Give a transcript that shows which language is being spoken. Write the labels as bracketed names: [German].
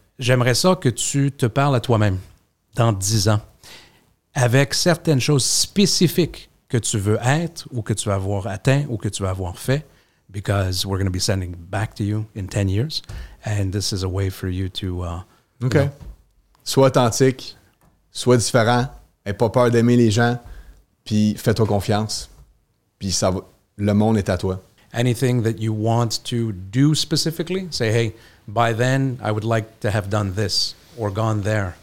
[French] J'aimerais ça que tu te parles à toi-même dans 10 ans avec certaines choses spécifiques que tu veux être ou que tu vas avoir atteint ou que tu vas avoir fait, [English] because we're going to be sending back to you in 10 years. And this is a way for you to... Okay. [French] Sois authentique, sois différent, n'aie pas peur d'aimer les gens, puis fais-toi confiance. Puis Le monde est à toi. [English] Anything that you want to do specifically? Say, hey, by then, I would like to have done this or gone there.